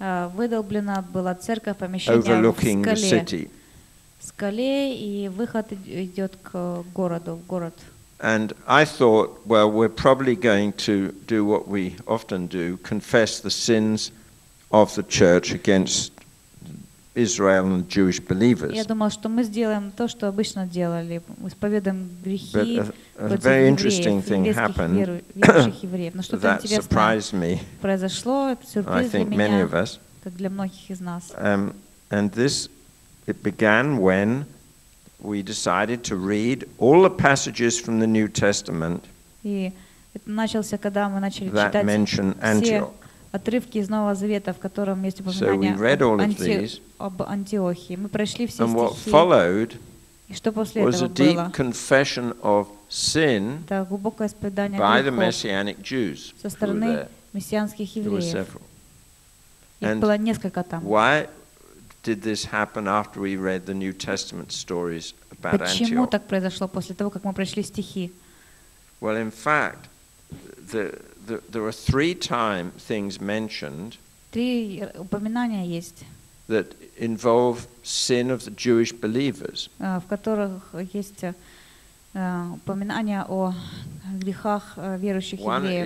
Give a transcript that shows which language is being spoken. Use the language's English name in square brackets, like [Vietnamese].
[Russian] Выдолблена была церковь, помещение [English] overlooking [Russian] в скале, [English] the city. [Russian] Скале, и выход идет к городу, в город. [English] And I thought, well, we're probably going to do what we often do, confess the sins of the church against Israel and Jewish believers. [Russian] Я думал, что мы сделаем то, что обычно делали, исповедуем грехи [English] But a very interesting thing happened. [Russian] Верующих евреев. Но что-то [English] that surprised me. [Russian] Произошло, это сюрприз для меня. [English] I think many of us. [Russian] Как для многих из нас. [English] And this it began when we decided to read all the passages from the New Testament. [Russian] И это начался, когда мы начали читать отрывки из Нового Завета, в котором есть упоминание об Антиохии. Мы прошли все [English] and [Russian] стихи. И что после [English] was [Russian] этого было? Это глубокое исповедание грехов со стороны мессианских евреев. Их было несколько там. Почему так произошло после того, как мы прошли стихи? [English] Well, in fact, there are three time things mentioned that involve sin of the Jewish believers. [Russian] В которых есть упоминания о грехах верующих евреев.